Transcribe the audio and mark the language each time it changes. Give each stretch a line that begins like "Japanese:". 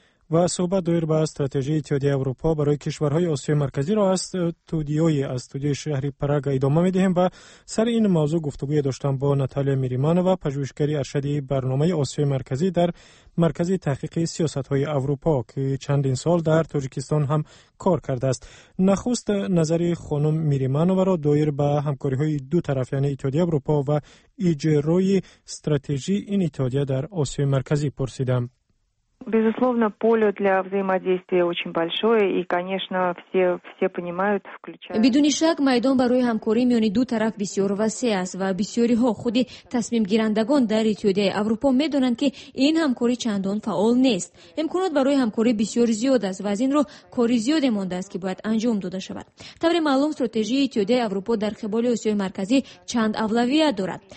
Persian: و صحبت دایر به استراتژی اتحادیه اروپا برای کشورهای آسیای مرکزی را از استودیوی شهری پراگ ادامه می‌دهیم و سر این موضوع گفتگوی داشتم با ناتالیا میریمانوا، پژوهشگر ارشد برنامه آسیای مرکزی در مرکز تحقیق سیاست‌های اروپا که چندین سال در تاجیکستان هم کار کرده است. نخست نظری خانم میریمانوا را دایر به همکاری‌های دو طرف یعنی اتحادیه اروپا و اجرای استراتژی این اتحادیه در آسیای مرکزی پرسیدم.
Russian: Безусловно, поле для взаимодействия очень большое, и, конечно, все понимают, включая.
Persian: بدون شک میدان برای همکاری میان دو طرف بسیار وسیع است و بسیاری ها خود تصمیم گیرندگان در اتحادیه اروپا میدانند که این همکاری چندان فعال نیست. امکانات برای همکاری بسیار زیاد است و از این رو کاری زیاد مانده است که باید انجام داده شود. طور معلوم استراتژی اتحادیه اروپا در قبال آسیای مرکزی چند اولویت دارد.